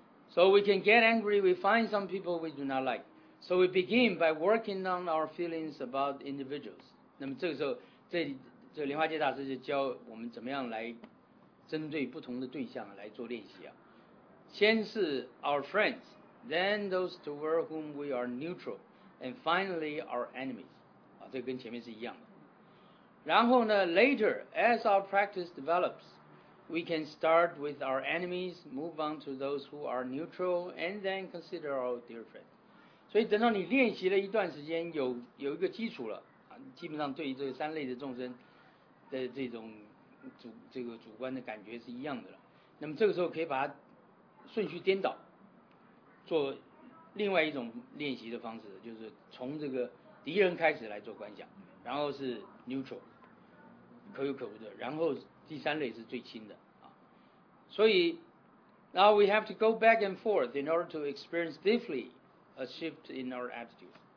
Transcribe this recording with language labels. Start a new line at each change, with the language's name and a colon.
English: So we can get angry, we find some people we do not like. So we begin by working on our feelings about individuals.
Chinese: 那么这个时候，这莲花杰大师就教我们怎么样来针对不同的对象来做练习啊。先是
English: our friends, then those toward whom we are neutral, and finally our enemies.
Chinese: 啊，这个跟前面是一样的。然后呢
English: ，later as our practice develops。 We can start with our enemies, move on to those who are neutral, and then consider our dear friends.
Chinese: 所以等到你练习了一段时间，有一个基础了，基本上对于这三类的众生的这种主观的感觉是一样的了。那么这个时候可以把它顺序颠倒，做另外一种练习的方式，就是从这个敌人开始来做观想，然后是 neutral， 可有可无的，然后第三类是最轻的啊，所以
English: now we have to go back and forth in order to experience deeply a shift in our attitude.